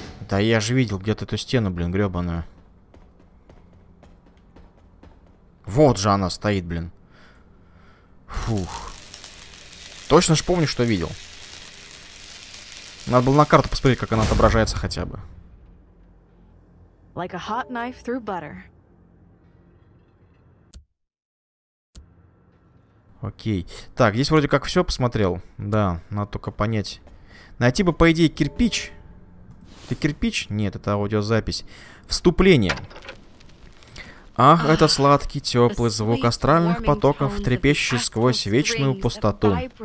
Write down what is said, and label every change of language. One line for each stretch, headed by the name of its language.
Russian: Да я же видел где-то эту стену, блин, гребаную. Вот же она стоит, блин. Фух. Точно ж помню, что видел. Надо было на карту посмотреть, как она отображается хотя бы.
English: Like a hot knife through butter.
Russian: Окей. Так, здесь вроде как все посмотрел. Да, надо только понять. Найти бы, по идее, кирпич. Это кирпич? Нет, это аудиозапись. Вступление. Ах, это сладкий, теплый звук астральных потоков, трепещущий сквозь вечную пустоту.